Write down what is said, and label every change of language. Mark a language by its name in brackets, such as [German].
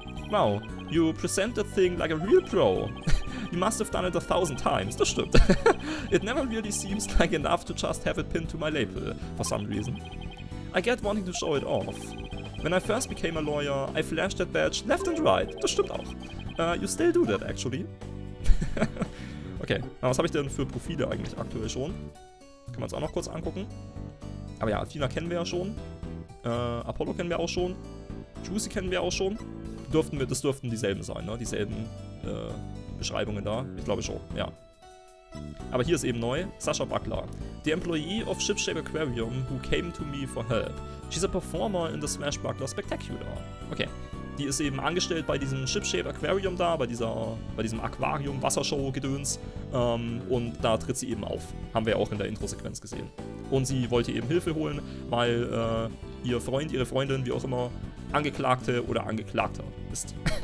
[English] Wow, you present the thing like a real pro. You must have done it 1000 times. [German] Das stimmt. [English] It never really seems like enough to just have it pinned to my label, for some reason. I get wanting to show it off. When I first became a lawyer, I flashed that badge left and right. [German] Das stimmt auch. [English] You still do that, actually. [German] Okay, was habe ich denn für Profile eigentlich aktuell schon? Kann man es auch noch kurz angucken. Aber ja, Athena kennen wir ja schon. Apollo kennen wir auch schon. Juicy kennen wir auch schon. Das dürften dieselben sein, ne? Dieselben Beschreibungen da. Ich glaube schon, ja. Aber hier ist eben neu. Sasha Buckler. [English] The employee of Shipshape Aquarium who came to me for help. She's a performer in the Smash Buckler Spectacular. Okay. [German] Die ist eben angestellt bei diesem Shipshape Aquarium da, bei diesem Aquarium-Wassershow-Gedöns. Und da tritt sie eben auf. Haben wir ja auch in der Intro-Sequenz gesehen. Und sie wollte eben Hilfe holen, weil ihr Freund, ihre Freundin, wie auch immer, Angeklagte oder Angeklagter ist.